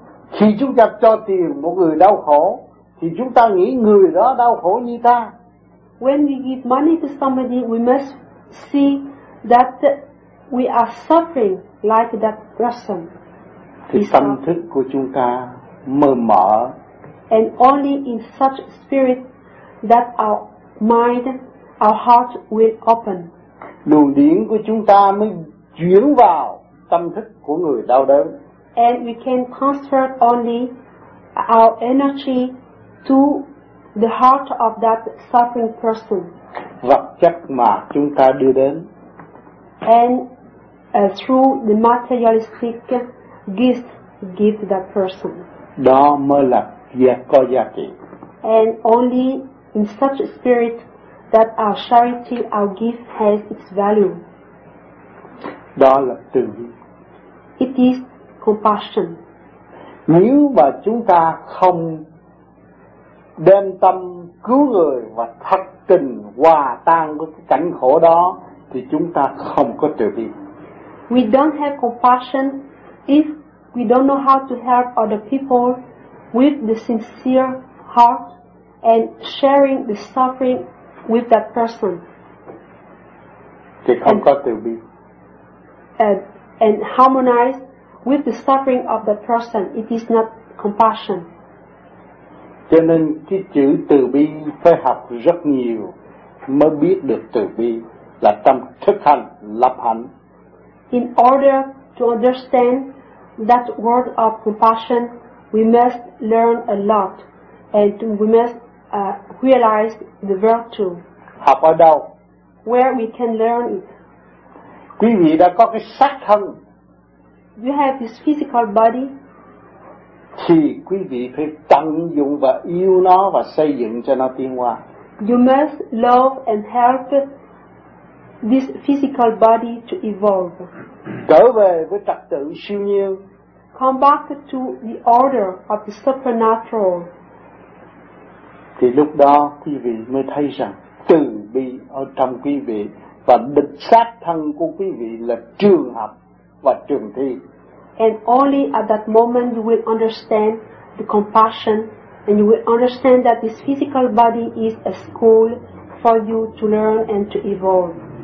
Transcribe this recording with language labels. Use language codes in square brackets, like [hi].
[vi] Khi chúng ta cho tiền một người đau khổ thì chúng ta nghĩ người đó đau khổ như ta. [en] When we give money to somebody, we must see that we are suffering like that person. [vi] Thì tâm thức của chúng ta mơ mở. [en] And only in such spirit that our mind, our heart will open. [vi] Luồng điển của chúng ta mới chuyển vào tâm thức của người đau đớn. [en] And we can transfer only our energy to the heart of that suffering person. [vi] Vật chất mà chúng ta đưa đến. [en] And through the materialistic gift give to that person. [vi] Đó mới là việc có giá trị. [en] And only in such a spirit that our charity, our gift has its value. [vi] Đó là từ bi. [en] It is compassion. [vi] Nếu mà chúng ta không đem tâm cứu người và thật tình hòa tan với cái cảnh khổ đó thì chúng ta không có từ bi. [en] We don't have compassion if we don't know how to help other people with the sincere heart and sharing the suffering with that person. [vi] Thì không có từ bi. [en] And harmonize with the suffering of that person. It is not compassion. [vi] Cho nên cái chữ từ bi phải học rất nhiều mới biết được từ bi là trong thực hành lập hạnh. [en] In order to understand that word of compassion, we must learn a lot, and we must realize the virtue. [vi] Học ở đâu? [en] Where we can learn it. [vi] Quý vị đã có cái xác thân. [en] you have this physical body. [vi] Thì quý vị phải tận dụng và yêu nó và xây dựng cho nó tiến hóa. [en] You must love and help this physical body to evolve. [vi] Trở về với trật tự siêu nhiên. [en] Come back to the order of the supernatural. [vi] Thì lúc đó quý vị mới thấy rằng từ bi ở trong quý vị và địch sát thân của quý vị là trường hợp và trường thi. [en] And only at that moment you will understand the compassion, and you will understand that this physical body is a school for you to learn and to evolve.